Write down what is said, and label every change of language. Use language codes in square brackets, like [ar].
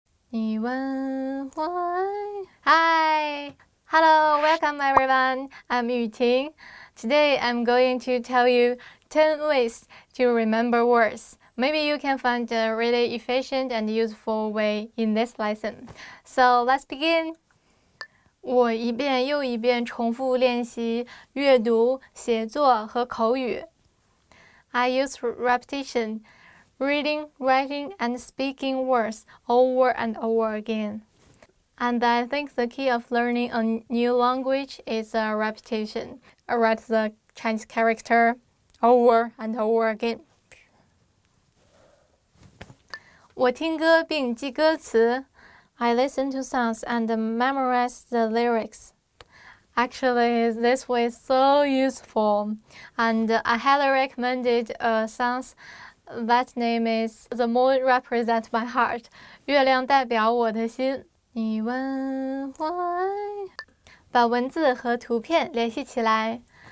[zh] 你问 [en] why? Hi! Hello! Welcome everyone! I'm Yuting. Today, I'm going to tell you 10 ways to remember words. Maybe you can find a really efficient and useful way in this lesson. So, let's begin! [zh] 我一遍又一遍重复练习阅读、写作和口语。 [en] I use repetition, reading, writing, and speaking words over and over again. And I think the key of learning a new language is repetition. I write the Chinese character over and over again. [zh] 我听歌并记歌词。 [en] I listen to songs and memorize the lyrics. Actually, this way is so useful. And I highly recommend it a song that name is The Moon Represents My Heart. [zh] 月亮代表我的心。你问why? 把文字和图片联系起来。